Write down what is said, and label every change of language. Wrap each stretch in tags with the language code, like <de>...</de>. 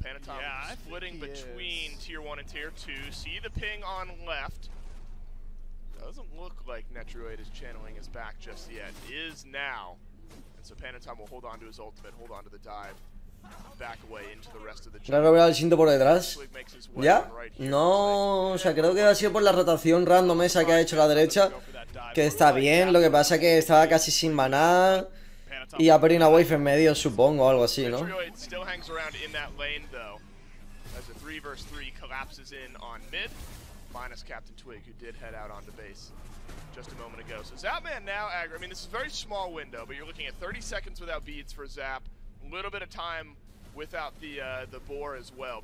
<en>Panatom splitting between tier 1 and tier 2. See the ping on left. Doesn't look like Netrioid is channeling his back just yet. Is now. And so Panatom will hold on to his ultimate, hold on to the dive. Back away into the rest of the jungle.</en> <es>¿Ya? No, o sea, creo que ha sido por la rotación random esa que ha hecho a la derecha. Que está bien, lo que pasa es que estaba casi sin maná. Y ha perdido una wave en medio, supongo, o algo así, ¿no?</es> <en>Netrioid still hangs around in that lane, though. As a 3 vs 3 collapses in on mid. Minus Captain Twig, who did head out onto base just a moment ago. So Zapman now aggro. I mean, this is a very small window, but you're looking at 30 seconds without beads for Zap. A little bit of time without the boar as well.</en>